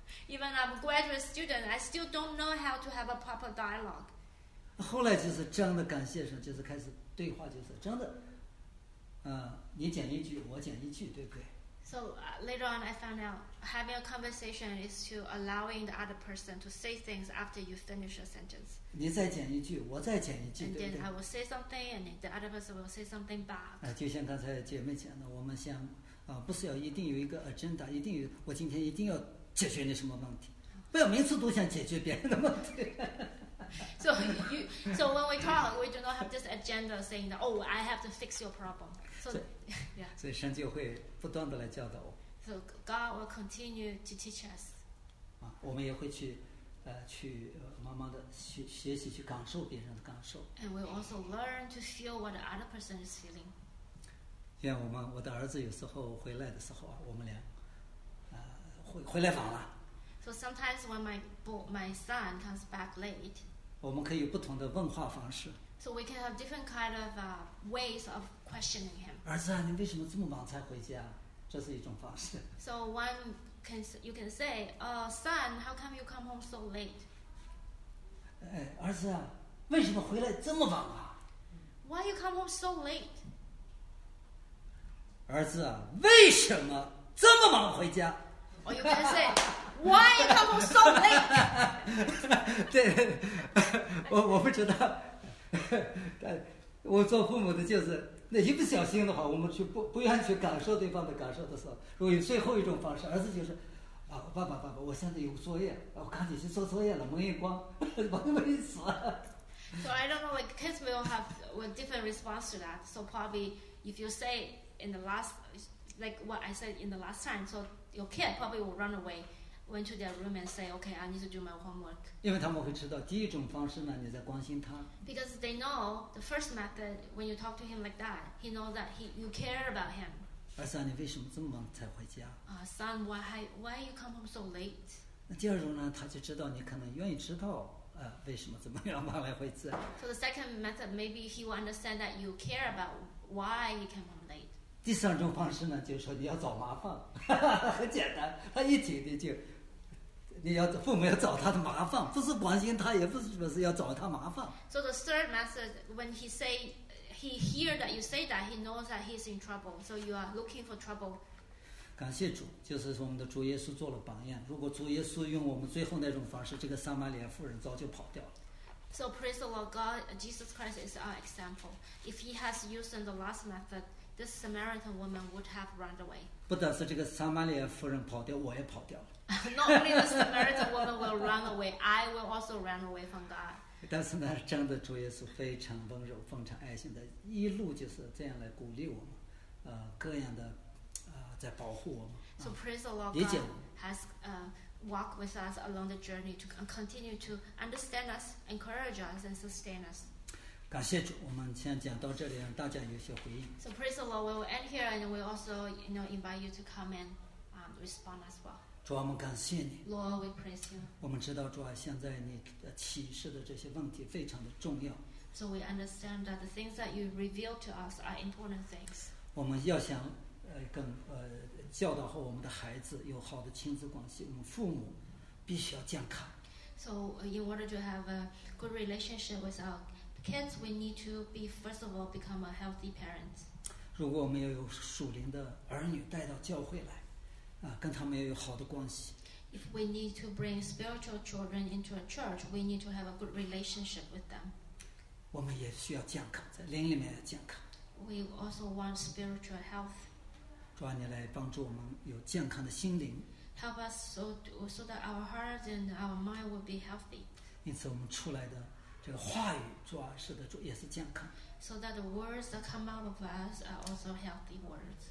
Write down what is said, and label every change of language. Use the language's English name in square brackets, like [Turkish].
[English] Even I'm a graduate student, I still don't know how to have a proper dialogue. [Chinese] 后来就是真的感谢神，就是开始对话，就是真的，你讲一句，我讲一句，对不对？ [English] So later on, I found out having a conversation is to allowing the other person to say things after you finish a sentence. [Chinese] 你再讲一句，我再讲一句。 [English] And then I will say something, and the other person will say something back. [Chinese] 就像刚才姐妹讲的，我们先不是要一定有一个 agenda， 一定有我今天一定要解决你什么问题，不要每次都想解决别人的问题。 [English] So when we talk, we do not have this agenda saying that, oh, I have to fix your problem. So, yeah. [Chinese] 所以神就会不断地来教导我。 [English] So God will continue to teach us. [Chinese] 我们也会去慢慢地学习去感受别人的感受。 [English] And we also learn to feel what the other person is feeling. [Chinese] 像我们我的儿子有时候回来的时候啊，我们俩回来晚了。 [English] So sometimes when my son comes back late. [Chinese] 我们可以有不同的问话方式。 [English] So we can have different kind of ways of questioning him. [Chinese] 儿子啊，你为什么这么晚才回家？这是一种方式。 [English] So one can you can say, son, how come you come home so late? [Chinese] 哎，儿子啊，为什么回来这么晚啊？ [English] Why you come home so late? [Chinese] 儿子啊，为什么这么晚回家？ [English] Or you can say, why you come home so late? [Chinese] 对，我不知道。我做父母的就是那一不小心的话我们去不愿意去感受对方的感受的时候如果有最后一种方式儿子就是、啊、爸爸我现在有作业我赶紧去做作业了蒙一光蒙一死 [English] So I don't know like kids will have a different response to that So probably if you say in the last like what I said in the last time So your kid probably will run away went to their room and say, okay, I need to do my homework. [Chinese] 因为他们会知道第一种方式呢，你在关心他。 [English] Because they know the first method when you talk to him like that, he knows that you care about him. [Chinese] 儿子，你为什么这么晚才回家？ [English] Son, why you come home so late? [Chinese] 那第二种呢，他就知道你可能愿意知道，为什么怎么样晚来回家。 [English] So the second method, maybe he will understand that you care about why he came home. [Chinese] 第三种方式呢，就是说你要找麻烦，很简单，他一听你就，你要父母要找他的麻烦，不是关心他，也不是说是要找他麻烦。 [English] So the third method, when he say, he hear that you say that, he knows that he's in trouble. So you are looking for trouble. [Chinese] 感谢主，就是我们的主耶稣做了榜样。如果主耶稣用我们最后那种方式，这个撒玛利亚妇人早就跑掉了。 [English] So praise the Lord God, Jesus Christ is our example. If he has used the last method. This Samaritan woman would have run away. [Chinese] 不但是这个撒玛利亚妇人跑掉，我也跑掉了。 [English] Not only the Samaritan woman will run away, I will also run away from God. [Chinese] 但是呢，真的主耶稣非常温柔、非常爱心的，一路就是这样来鼓励我们，各样的，在保护我们。 [English] So praise the Lord God has walked with us along the journey to continue to understand us, encourage us, and sustain us. [Chinese] 感谢主，我们先讲到这里，让大家有些回应。 [English] So praise the Lord, we will end here, and we also, you know, invite you to come and respond as well. [Chinese] 主啊，我们感谢你。 [English] Lord, we praise you. [Chinese] 我们知道主啊，现在你启示的这些问题非常的重要。 [English] So we understand that the things that you reveal to us are important things. [Chinese] 我们要想跟教导好我们的孩子有好的亲子关系，我们父母必须要健康。 [English] So in order to have a good relationship with our Kids, we need to be first of all become a healthy parent. [Chinese] 如果我们要有属灵的儿女带到教会来，跟他们要有好的关系。 [English] If we need to bring spiritual children into a church, we need to have a good relationship with them. [Chinese] 我们也需要健康，在灵里面要健康。 [English] We also want spiritual health. [Chinese] 主啊，你来帮助我们有健康的心灵。 [English] Help us so that our heart and our mind will be healthy. [Chinese] 因此，我们出来的。这个话语主啊是的主也是健康 [English] so that the words that come out of us are also healthy words